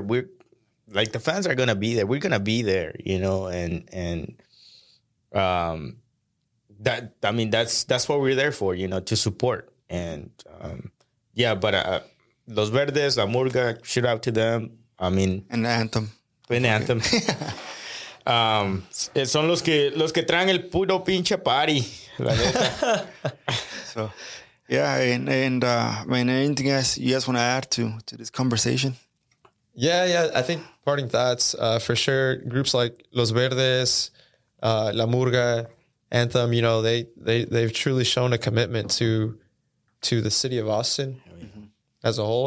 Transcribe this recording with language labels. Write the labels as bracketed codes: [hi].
[en] We're like, the fans are going to be there. We're going to be there, you know, and that, I mean, that's what we're there for, you know, to support. And yeah, but Los Verdes, La Murga, shout out to them. I mean, and the anthem. [es] En anthem. son los que traen el puro pinche party. La neta. [en] So, yeah, and anything else you guys want to add to this conversation? Yeah, I think parting thoughts, for sure, groups like Los Verdes, La Murga, Anthem, you know, they've truly shown a commitment to the city of Austin as a whole.